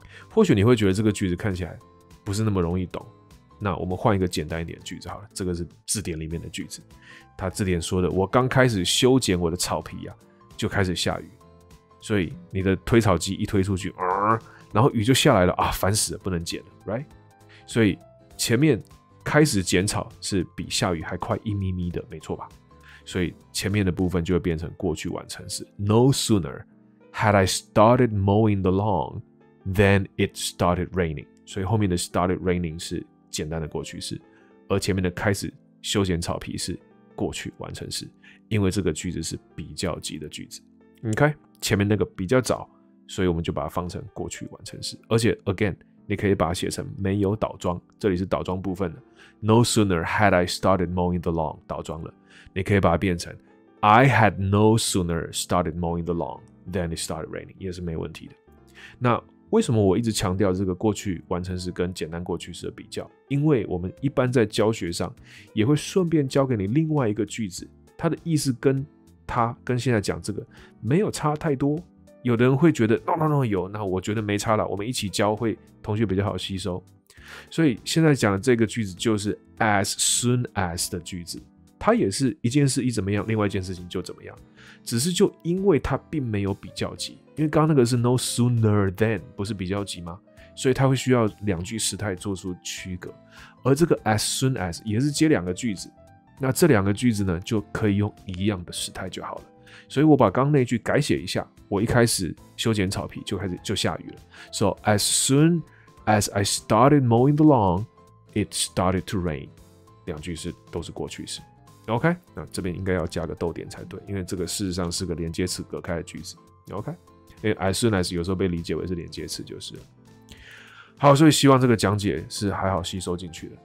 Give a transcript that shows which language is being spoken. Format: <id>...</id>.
<zh>或许你会觉得这个句子看起来不是那么容易懂，那我们换一个简单一点的句子好了，这个是字典里面的句子，它字典说的，我刚开始修剪我的草皮啊，就开始下雨，所以你的推草机一推出去，然后雨就下来了啊，烦死了，不能剪了 ，right？所以前面开始剪草是比下雨还快一咪咪的，没错吧？所以前面的部分就会变成过去完成式。</zh> <en>No sooner had I started mowing the lawn than it started raining。</en> <zh>所以后面的 started raining 是简单的过去式，而前面的开始修剪草皮是过去完成式，因为这个句子是比较级的句子。 OK， 前面那个比较早。所以我们就把它放成过去完成式，而且 again， 你可以把它写成没有倒装，这里是倒装部分的。</zh> <en>No sooner had I started mowing the lawn，</en> <zh>倒装了，你可以把它变成</zh> <en>I had no sooner started mowing the lawn than it started raining，</en> <zh>也是没问题的。那为什么我一直强调这个过去完成式跟简单过去式的比较？因为我们一般在教学上也会顺便教给你另外一个句子，它的意思跟它跟现在讲这个没有差太多。有的人会觉得 no 有，那我觉得没差了，我们一起教会同学比较好吸收。所以现在讲的这个句子就是 as soon as 的句子，它也是一件事一怎么样，另外一件事情就怎么样，只是就因为它并没有比较级，因为刚刚那个是 no sooner than 不是比较级吗？所以它会需要两句时态做出区隔，而这个 as soon as 也是接两个句子，那这两个句子呢就可以用一样的时态就好了。所以我把刚那句改写一下，我一开始修剪草皮就开始就下雨了。</zh> <en>So as soon As I started mowing the lawn, it started to rain.</en> <zh>两句是都是过去式。 OK， 那这边应该要加个逗点才对，因为这个事实上是个连接词隔开的句子。 OK， 因为 as soon as 有时候被理解为是连接词就是了。好，所以希望这个讲解是还好吸收进去的。</zh>